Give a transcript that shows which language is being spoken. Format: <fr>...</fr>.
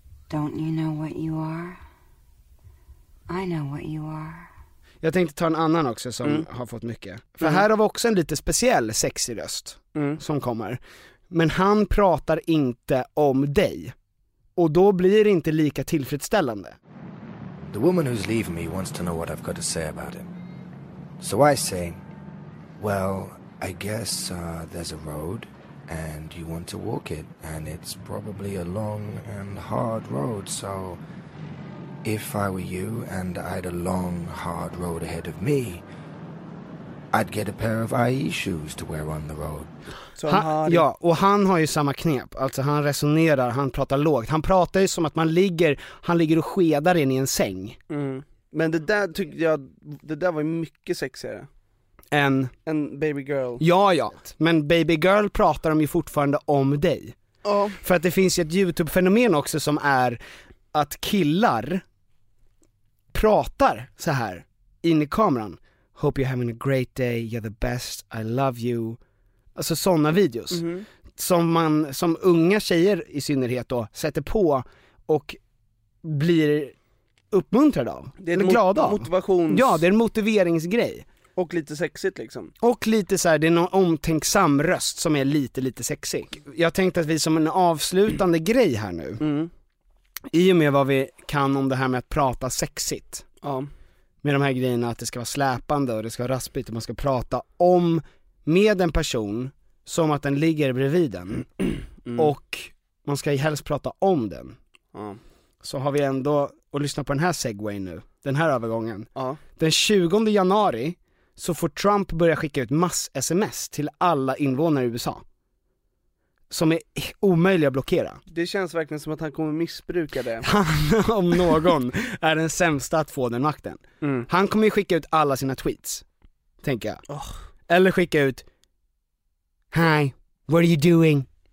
<en>Don't you know what you are? I know what you are.</en> <sv>Jag tänkte ta en annan också som har fått mycket. För här har vi också en lite speciell sexig röst som kommer. Men han pratar inte om dig. Och då blir det inte lika tillfredsställande.</sv> <en>The woman who's leaving me wants to know what I've got to say about him. So I say, well, I guess there's a road and you want to walk it. And it's probably a long and hard road. So if I were you and I had a long, hard road ahead of me, I'd get a pair of IE shoes to wear on the road.</en> <sv>Ja, och han har ju samma knep. Alltså han resonerar, han pratar lågt. Han pratar ju som att han ligger och skedar in i en säng. Mm. Men det där tyckte jag, det där var ju mycket sexigare. En</sv> <en>baby girl.</en> <sv>Ja, men baby girl pratar de ju fortfarande om dig. Oh. För att det finns ju ett YouTube-fenomen också som är att killar pratar så här in i kameran.</sv> <en>Hope you're having a great day, you're the best, I love you.</en> <sv>Alltså sådana videos som unga tjejer i synnerhet då sätter på och blir uppmuntrade av. Det är en glada motivations... Ja, det är en motiveringsgrej. Och lite sexigt liksom. Och lite så här, det är någon omtänksam röst som är lite sexig. Jag tänkte att vi som en avslutande grej här nu, i och med vad vi kan om det här med att prata sexigt. Ja. Med de här grejerna att det ska vara släpande och det ska vara raspigt och man ska prata om med en person som att den ligger bredvid den och man ska helst prata om den. Ja. Så har vi ändå att lyssna på den här segway nu, den här övergången. Ja. Den 20 januari så får Trump börja skicka ut mass-sms till alla invånare i USA. Som är omöjliga att blockera. Det känns verkligen som att han kommer missbruka det. Han om någon är den sämsta att få den makten. Mm. Han kommer ju skicka ut alla sina tweets, tänker jag. Oh. Eller skicka ut</sv> <en>Hi, what are you doing?</en>